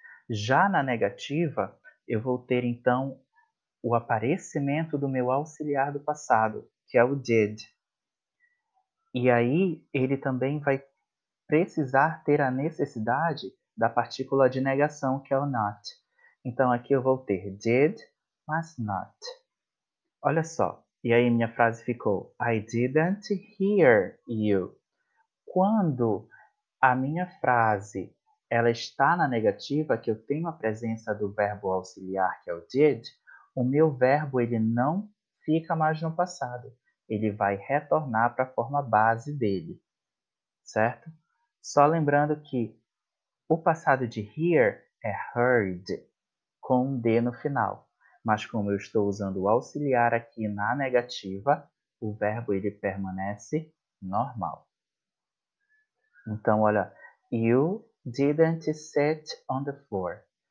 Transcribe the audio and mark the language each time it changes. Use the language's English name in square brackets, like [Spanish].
[Portuguese] Já na negativa, eu vou ter então o aparecimento do meu auxiliar do passado, que é o did. E aí, ele também vai precisar ter a necessidade da partícula de negação, que é o not. Então, aqui eu vou ter did, mas not. Olha só. E aí, minha frase ficou: [English] I didn't hear you. [Portuguese] Quando a minha frase ela está na negativa, que eu tenho a presença do verbo auxiliar, que é o did, o meu verbo ele não fica mais no passado. Ele vai retornar para a forma base dele. Certo? Só lembrando que o passado de hear é heard, com um D no final. Mas como eu estou usando o auxiliar aqui na negativa, o verbo ele permanece normal. Então, olha, [English] you didn't sit on the floor.